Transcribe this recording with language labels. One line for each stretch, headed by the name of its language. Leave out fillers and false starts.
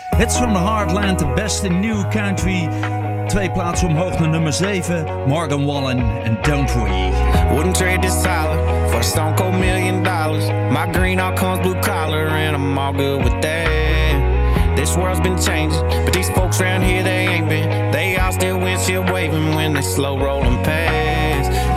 English: Hits from the Heartland, the best in new country.
Dutch: Twee plaatsen omhoog naar nummer 7. Morgan Wallen en Don't We.
English: Wouldn't trade this island for a stone cold $1 million. My green all comes blue collar and I'm all good with that. This world's been changing, but these folks around here they ain't been. They all still windshield waving when they slow rolling past.